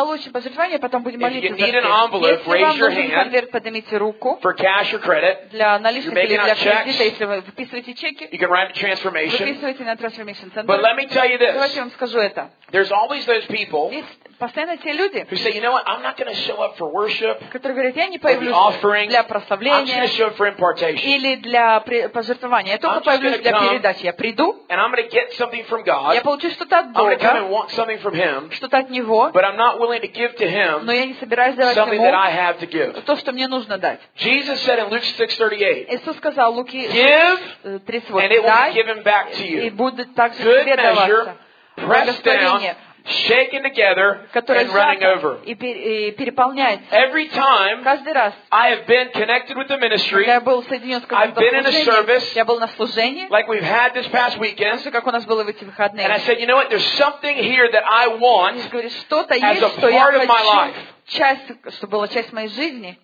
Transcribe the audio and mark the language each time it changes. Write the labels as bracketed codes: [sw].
[en] If you need an envelope, raise your hand for cash or credit. You're making out checks. You can write a transformation. But let me tell you this. There's always those people [ru] постоянно те люди, [en] who say, you know what, I'm not going to show up for worship, [ru] которые говорят, я не появлюсь для прославления, [en] I'm going to show up for impartation. [ru] Или для пожертвования. Я только появлюсь для передачи. Я приду, [en] and I'm going to get something from God, [ru] я получу что-то от Бога, [en] I'm going to come and want something from him, [ru] что-то от Него, [en] but I'm not willing to give to him, [ru] но я не собираюсь давать [en] something [ru] Ему [en] that I have to give. [ru] То, что мне нужно дать. [en] Jesus said in Luke 6:38, [ru] Иисус сказал, Луки, [en] give, 38, and it will be given back to you. [ru] И будет также тебе даваться. [en] Pressed down, shaken together, and running over. Every time I have been connected with the ministry, I've been in a service, like we've had this past weekend, and I said, you know what, there's something here that I want as a part of my life. [ru] Часть, что была часть моей жизни,